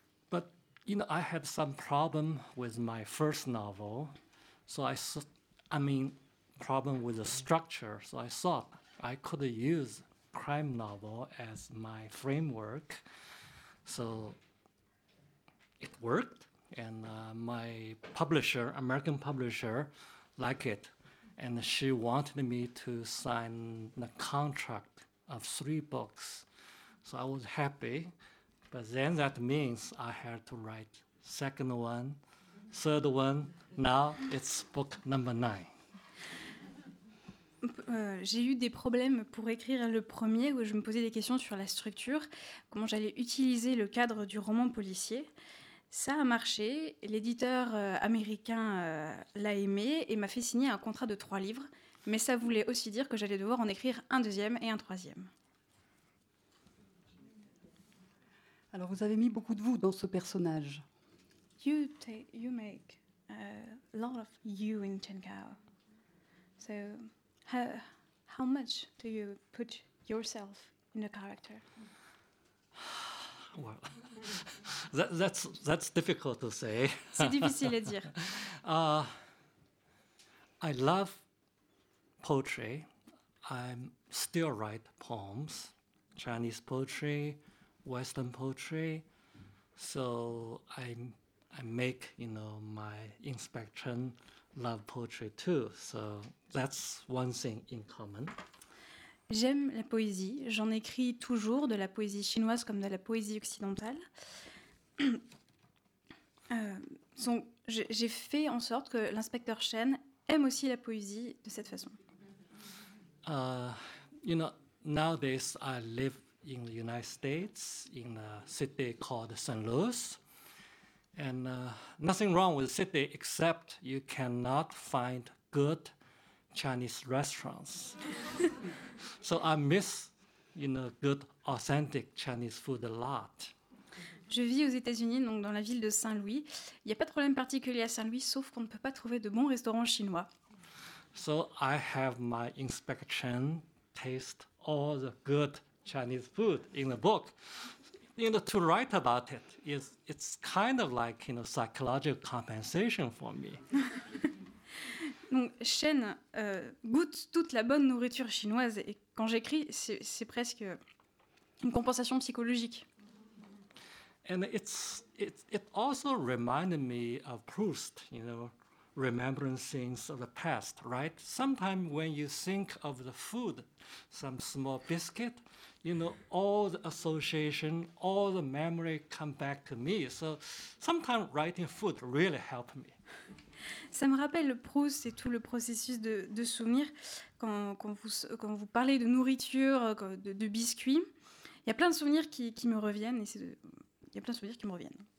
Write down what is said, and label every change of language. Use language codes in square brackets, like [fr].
[en] But you know, I had some problem with my first novel, so I mean problem with the structure. So I thought I could use crime novel as my framework. So it worked, and my publisher, American publisher, liked it. And she wanted me to sign the contract of 3 books. So I was happy. But then that means I had to write second one, third one. Now it's book number 9. [fr] J'ai eu des problèmes pour écrire le premier, où je me posais des questions sur la structure, comment j'allais utiliser le cadre du roman policier. Ça a marché, l'éditeur américain l'a aimé et m'a fait signer un contrat de 3 livres, mais ça voulait aussi dire que j'allais devoir en écrire un deuxième et un troisième. Alors, vous avez mis beaucoup de vous dans ce personnage. [en] You make a lot of you in Chen Kao. So, how much do you put yourself in the character? Well, that's difficult to say. [fr] C'est difficile à dire. [en] I love poetry. I still write poems, Chinese poetry, Western poetry. So I make, you know, my inspection love poetry too. So that's one thing in common. [fr] J'aime la poésie, j'en écris toujours, de la poésie chinoise comme de la poésie occidentale. J'ai fait en sorte que l'inspecteur Chen aime aussi la poésie de cette façon. [en] You know, nowadays I live in the United States, in a city called St. Louis. And nothing wrong with the city, except you cannot find good Chinese restaurants. So I miss, you know, good authentic Chinese food a lot. [fr] Je vis aux États-Unis, donc dans la ville de Saint-Louis. Il n'y a pas de problème particulier à Saint-Louis, sauf qu'on ne peut pas trouver de bons restaurants chinois. [en] So I have my inspection taste all the good Chinese food in the book. You know, to write about it is it's kind of like, you know, psychological compensation for me. [fr] Donc, Shen goûte toute la bonne nourriture chinoise. Et quand j'écris, c'est presque une compensation psychologique. [en] And it also reminded me of Proust, you know, remembering things of the past, right? Sometimes when you think of the food, some small biscuit, you know, all the association, all the memory come back to me. So sometimes writing food really helped me. [fr] Ça me rappelle Proust et tout le processus de souvenir quand vous parlez de nourriture, de biscuits. Il y a plein de souvenirs qui me reviennent et il y a plein de souvenirs qui me reviennent.